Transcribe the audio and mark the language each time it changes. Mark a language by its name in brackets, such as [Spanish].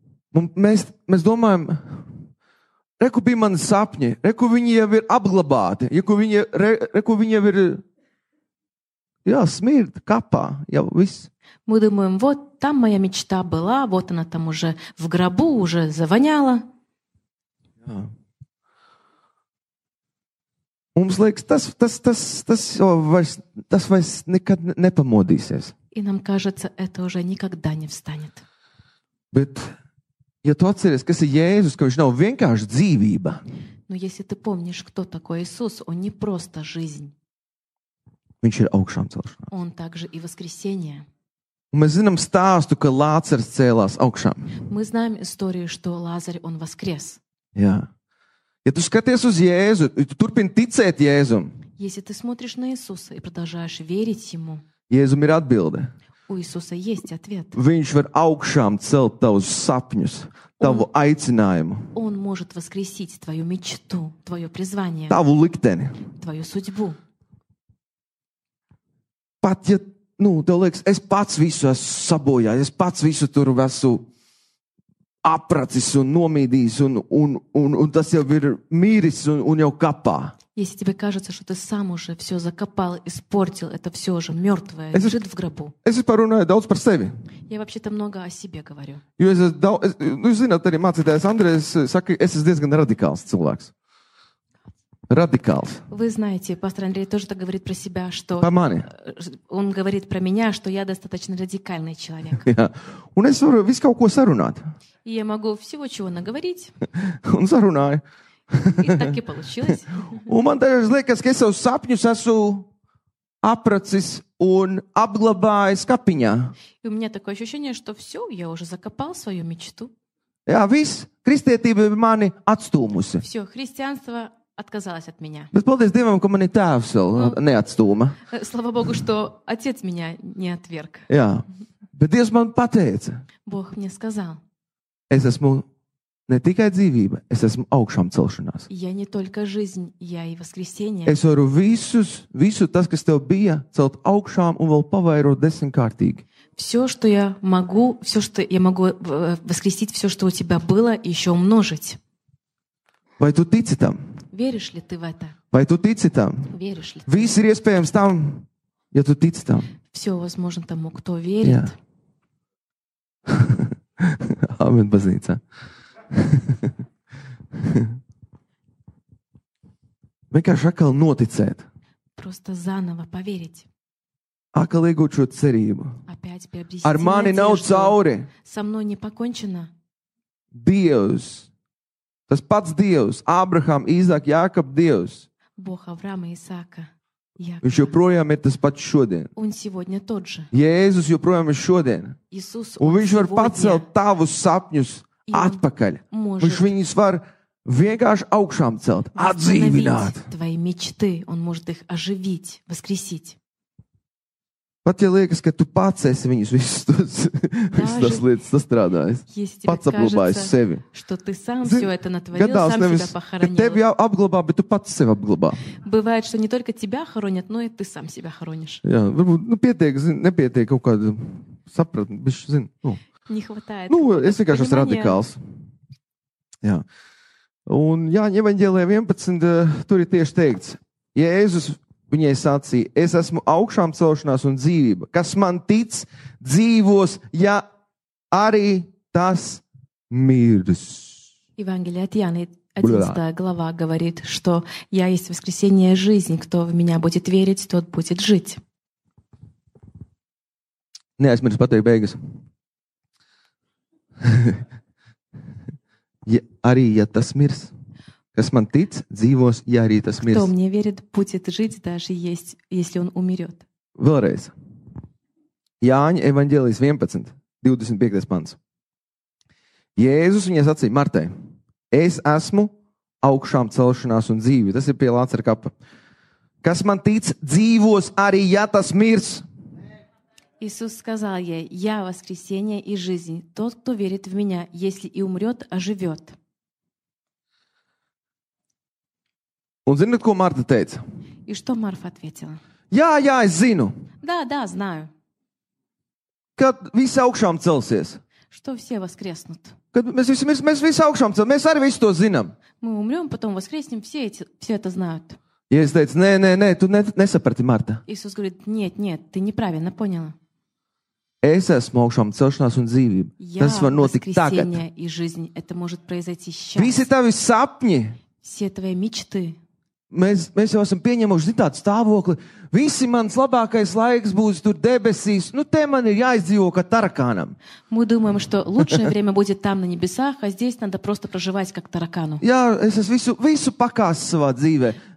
[Latvian] Mēs domājam, reku bija mani sapņi, reku viņi jau ir apglabāti, reku viņi jau ir jā, smird kapā, jau viss. [Russian] Мы думаем, вот там моя мечта была, вот она там уже в гробу уже завоняла. [Latvian] Jā. Mums liekas, tas vairs nekad nepamodīsies. [Russian] И нам кажется, это уже никогда не встанет. [Latvian] Bet, ja tu atceries, kas ir Jēzus, ka viņš nav vienkārši dzīvība. [Russian] Ну, если ты помнишь, кто такой Иисус, он не просто жизнь. [Latvian] Viņš ir augšām celšanās. Un [Russian] также и воскресение. [Latvian] Un mēs zinām stāstu, ka Lācars cēlās augšām. [Russian] Мы знаем историю, что Лазарь он воскрес. [Latvian] Jā. Ja tu skaties uz Jēzu, tu turpini ticēt Jēzum. [Russian] Если ты смотришь на Иисуса и продолжаешь верить ему. [Latvian] Jēzum ir atbilde. [Russian] У Иисуса есть ответ. [Latvian] Viņš var augšām celt tavus sapņus, tavu aicinājumu. [Russian] Он может воскресить твою мечту, твоё призвание. [Latvian] Tavu likteni. [Russian] Твою судьбу. [Latvian] Pat ja, nu, tev liekas, es pats visu esmu sabojājis, es pats visu tur esmu apracis un nomīdījis un tas jau ir mīris un jau kapā. [Russian] Если тебе кажется, что ты сам уже все закопал, испортил, это все уже мертвое, лежит в гробу. [Latvian] Es parunāju daudz par sevi. [Russian] Я вообще-то много о себе говорю. [Latvian] Jo es esmu daudz, nu, zināt, arī mācītājs Andrejs saka, es esmu diezgan radikāls cilvēks. Радикалс. [Russian] Вы знаете, пастор Андрей тоже так говорит про себя, что Помани. Он говорит про меня, что я достаточно радикальный человек. [Latvian] Un es varu visu kaut ko sarunāt. [Russian] И я могу всего чего наговорить. [Latvian] Un sarunāju. [Russian] И так и получилось. [Latvian] Un man tajos liekas, ka es savus sapņus esmu apracis un apglabājis kapiņā. [Russian] И у меня такое ощущение, что все, я уже закопал свою мечту. [Latvian] Jā, viss, kristietība mani atstūmusi. [Russian] Все, христианство отказалась от меня. [Latvian] Bet paldies Dievam, ka mani tēvs vēl neatstūma. [Russian] Слава Богу, что отец меня не отверг. [Latvian] Jā, bet Dievs man pateica. [Russian] Бог мне сказал. [Latvian] Es esmu ne tikai dzīvība, es esmu augšām celšanās. [Russian] Я не только жизнь, я и воскресение. [Latvian] Es varu visu tas, kas tev bija, celt augšām un vēl pavairot desmitkārtīgi. [Russian] Все, что я могу, все, что я могу воскресить, все, что у тебя было, еще умножить. [Latvian] Vai tu tici tam? [Russian] Веришь ли ты в это? [Latvian] Vai tu tici tam? [Russian] Веришь ли ты? [Latvian] Viss ir iespējams tam, ja tu tici tam. [Russian] Все возможно тому, кто верит. [Latvian] Amen, baznīca. Vienkārši atkal noticēt. [Russian] Просто заново поверить. [Latvian] Atkal iegūt šo cerību. [Russian] Опять приобрести надежду. [Latvian] Ar mani nav cauri. [Russian] Со мной не покончено. [Latvian] Dievs. Tas pats Dievs, Abraham, Izāk, Jākab, Dievs. [Russian] Бог Авраама, Исаака, Якова. [Latvian] Viņš joprojām ir tas pats šodien. Un [Russian] сегодня тот же. [Latvian] Jēzus joprojām ir šodien. Jesus, un viņš var pacelt tavus sapņus atpakaļ. Viņš viņus var vienkārši augšām celt, atdzīvināt. [Russian] Твои мечты, он может их оживить, воскресить. [Latvian] Pat ja liekas, ka tu pats esi viņus visus tas lietas sastrādājis. Pats apglabājis sevi. [Russian] Что ты сам всё это натворил, сам себя похоронил. [Latvian] Ka tevi apglabā, bet tu pats sevi apglabā. [Russian] Бывает, что не только тебя хоронят, но и ты сам себя хоронишь. [Latvian] Jā, varbūt, nu pietiek, zin, nepietiek kaut kādu sapratni, bišķi zin. Nu, [Russian] не хватает. Ну, [Latvian] es vienkārši esmu radikāls. Jā. Un Jāņa evaņģēlijā 11, tur ir tieši teikts, Jēzus Viņai sacīja, es esmu augšām celšanās un dzīvība. Kas man tic, dzīvos, ja arī tas mirs. Evangelija at Jāna 11. [Russian] glavā говорит, что я есть воскресение жизни, кто в меня будет верить, тот будет жить. [Latvian] Neaizmirs pateikt beigas. ja, arī, ja tas mirs. Kas man tic, dzīvos, ja arī tas mirs. [Russian] Кто мне верит, будет жить, даже есть, если он умрёт. [Latvian] Vēlreiz. Jāņa evaņģēlijas 11, 25. Pants. Jēzus viņai sacīja Martai, es esmu augšām celšanās un dzīvi. Tas ir pie Lācara kapa. Kas man tic, dzīvos, arī ja tas mirs. [Russian] Иисус сказал ей, я воскресение и жизнь. Тот, кто верит в меня, если и умрёт, оживёт. [Latvian] Un zināt, ko Marta teica? [Russian] И что Марфа ответила? [Latvian] Jā, es zinu. [Russian] Да, знаю. [Latvian] Kad visi augšām celsies. [Russian] Что все воскреснут. [Latvian] Kad mēs visi augšām celsies. Mēs arī visi to zinām. [Russian] Мы умрём, потом воскреснем, все это знают. [Latvian] Jēzus teica, nē, tu nesaprati, Marta. [Russian] Иисус говорит, нет, ты неправильно поняла. [Latvian] Es esmu augšām celšanās un dzīvība. Tas var notikt tagad. [Russian] Jā, воскресение и жизнь, это может произойти сейчас. [Latvian] Visi tavi sapņi. [Russian] Все твои мечты. [Latvian] Mēs jau esam pieņemuši zitādu stāvokli. Visi mans labākais laiks būs tur debesīs. Nu, te man ir jāizdzīvo kā tarakānam. [Russian] Мы думаем, что лучшее время будет там, на небесах, а здесь надо просто проживать как таракану. [Latvian] Jā, es esmu visu pakāst savā dzīvē.